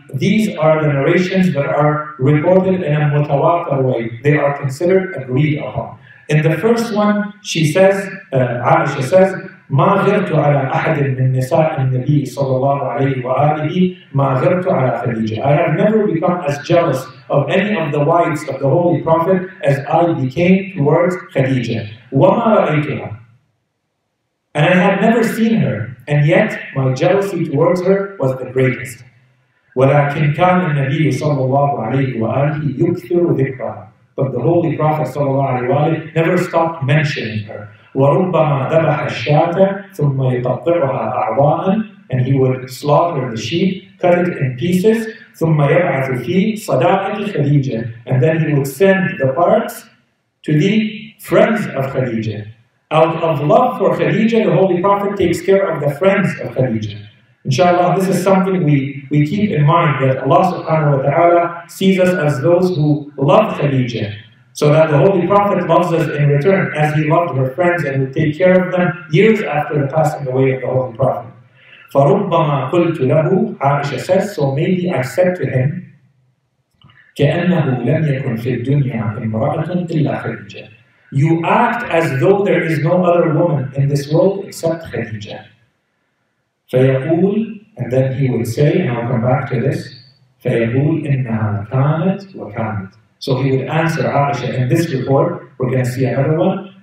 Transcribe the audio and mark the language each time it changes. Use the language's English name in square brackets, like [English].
[English] These are the narrations that are reported in a mutawatir way. They are considered agreed upon. In the first one, she says, Aisha says, [Arabic] ما غرت على أحد من نساء النبي صلى الله عليه وآله ما غرت على خديجة. [English] I have never become as jealous of any of the wives of the Holy Prophet as I became towards خديجة. [Arabic] وما رأيتها. [English] And I had never seen her, and yet my jealousy towards her was the greatest. [Arabic] ولكن كان النبي صلى الله عليه وآله يكثر ذكرها. [English] But the Holy Prophet [Arabic] صلى الله عليه وآله [English] never stopped mentioning her. [Arabic] وربما ذبح الشاة ثم يقطعها أعضاء, [English] and he would slaughter the sheep, cut it in pieces, [Arabic] ثم يبعث في صداقة خديجة, [English] and then he would send the parts to the friends of خديجة. Out of love for خديجة, the Holy Prophet takes care of the friends of خديجة. Inshallah, this is something we keep in mind, that Allah subhanahu wa ta'ala sees us as those who love خديجة. So that the Holy Prophet loves us in return, as he loved her friends and would take care of them years after the passing away of the Holy Prophet. [Arabic] فَرُبَّمَا قُلْتُ لَهُ, [English] Aisha says, so maybe I said to him, [Arabic] كَأَنَّهُ لَمْ يَكُنْ فِي الدُّنْيَا إِمْرَأَةٌ إِلَّا خَدِيجَةٌ. [English] You act as though there is no other woman in this world except خَدِيجَةٌ. [Arabic] فَيَقُولُ, [English] and then he will say, and I'll come back to this, [Arabic] فَيَقُولُ إِنَّهَا كَانَتْ وَكَانَتْ. [English] So he would answer Aisha in this report. We're going to see another one.